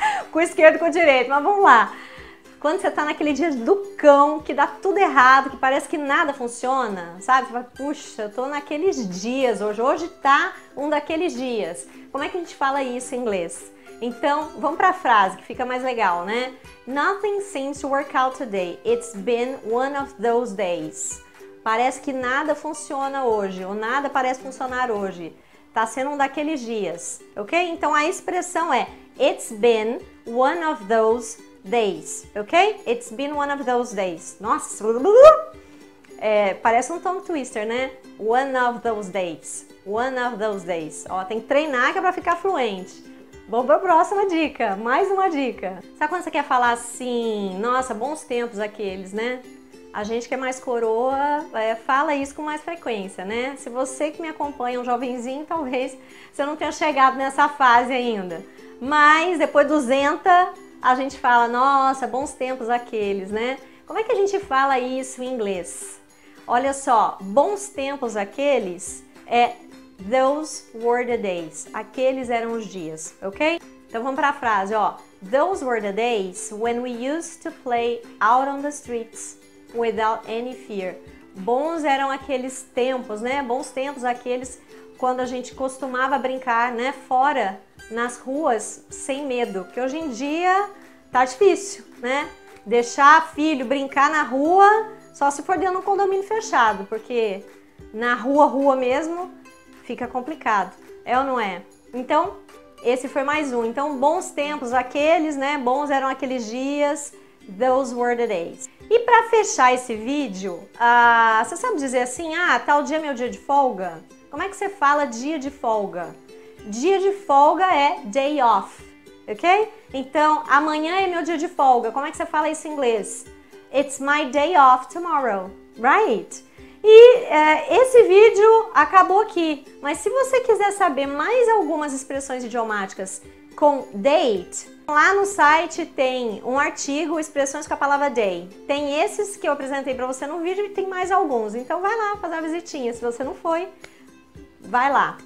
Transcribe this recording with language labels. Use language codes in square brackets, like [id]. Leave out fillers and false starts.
[pt] Com o esquerdo e com o direito, mas vamos lá. Quando você tá naquele dia do cão, que dá tudo errado, que parece que nada funciona, sabe? Você fala, puxa, eu tô naqueles dias hoje tá um daqueles dias. Como é que a gente fala isso em inglês? Então, vamos para a frase que fica mais legal, né? [en] Nothing seems to work out today. It's been one of those days. [pt] Parece que nada funciona hoje, ou nada parece funcionar hoje. Tá sendo um daqueles dias, ok? Então a expressão é [en] It's been one of those days, [pt] ok? [en] It's been one of those days. [pt] Nossa! Parece um [en] tongue twister, [pt] né? [en] One of those days. One of those days. [pt] Ó, tem que treinar que é pra ficar fluente. Vamos para a próxima dica, mais uma dica. Sabe quando você quer falar assim, nossa, bons tempos aqueles, né? A gente que é mais coroa, fala isso com mais frequência, né? Se você que me acompanha, um jovenzinho, talvez você não tenha chegado nessa fase ainda. Mas depois dos 20, a gente fala, nossa, bons tempos aqueles, né? Como é que a gente fala isso em inglês? Olha só, bons tempos aqueles é [en] Those were the days. [pt] Aqueles eram os dias, ok? Então vamos para a frase, ó. [en] Those were the days when we used to play out on the streets without any fear. [pt] Bons eram aqueles tempos, né? Bons tempos aqueles quando a gente costumava brincar, né? Fora, nas ruas, sem medo. Que hoje em dia tá difícil, né? Deixar filho brincar na rua, só se for dentro de um condomínio fechado, porque na rua, rua mesmo, fica complicado. É ou não é? Então, esse foi mais um. Então, bons tempos aqueles, né? Bons eram aqueles dias. [en] Those were the days. [pt] E pra fechar esse vídeo, você sabe dizer assim, ah, tal dia é meu dia de folga? Como é que você fala dia de folga? Dia de folga é day off, ok? Então, amanhã é meu dia de folga. Como é que você fala isso em inglês? [en] It's my day off tomorrow, right? [pt] E esse vídeo acabou aqui. Mas se você quiser saber mais algumas expressões idiomáticas com date, lá no site tem um artigo, expressões com a palavra day. Tem esses que eu apresentei pra você no vídeo e tem mais alguns. Então vai lá fazer uma visitinha, se você não foi, vai lá.